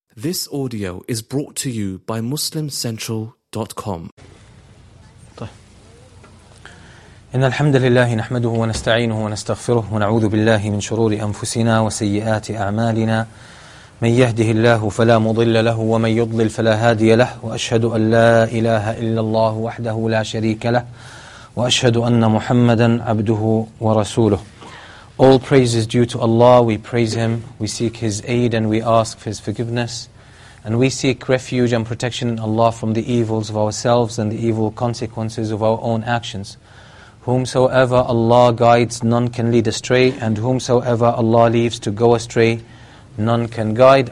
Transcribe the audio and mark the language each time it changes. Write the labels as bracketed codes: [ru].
[en] This audio is brought to you by MuslimCentral.com. [ar] إن الحمد لله نحمده ونستعينه ونستغفره ونعوذ بالله من شرور أنفسنا وسيئات أعمالنا من يهده الله فلا مضل له ومن يضلل فلا هادي له وأشهد أن لا إله إلا الله وحده لا شريك له وأشهد أن محمدا عبده ورسوله. [en] All praise is due to Allah. We praise Him. We seek His aid and we ask for His forgiveness. And we seek refuge and protection in Allah from the evils of ourselves and the evil consequences of our own actions. Whomsoever Allah guides, none can lead astray. And whomsoever Allah leaves to go astray, none can guide.